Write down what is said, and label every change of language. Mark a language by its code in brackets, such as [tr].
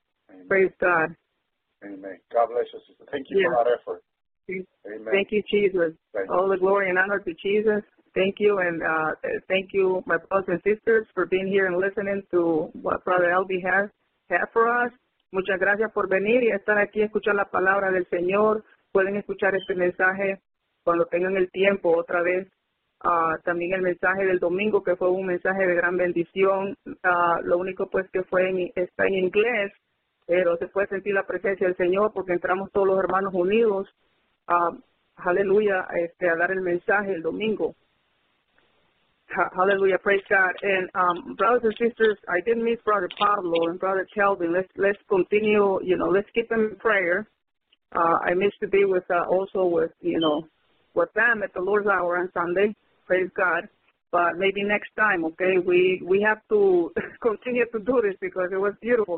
[en] Amen. Praise God. Amen. God bless you, sister. Thank you yeah. for that effort. Amen. Thank you, Jesus. Thank All you. The glory and honor to Jesus. Thank you, and thank you, my brothers and sisters, for being here and listening to what Brother Elby has for us. [es] Muchas gracias por venir y estar aquí a escuchar la palabra del Señor. Pueden escuchar este mensaje cuando tengan el tiempo otra vez. También el mensaje del domingo, que fue un mensaje de gran bendición. Lo único pues que fue está en inglés. Pero se puede sentir la presencia del Señor porque entramos todos los hermanos unidos, aleluya, a dar el mensaje el domingo. [en] Hallelujah, praise God. And brothers and sisters, I didn't miss Brother Pablo and Brother Kelvin. Let's continue, you know, let's keep them in prayer. I missed to be with also with, you know, with them at the Lord's Hour on Sunday. Praise God. But maybe next time, okay, we have to continue to do this because it was beautiful.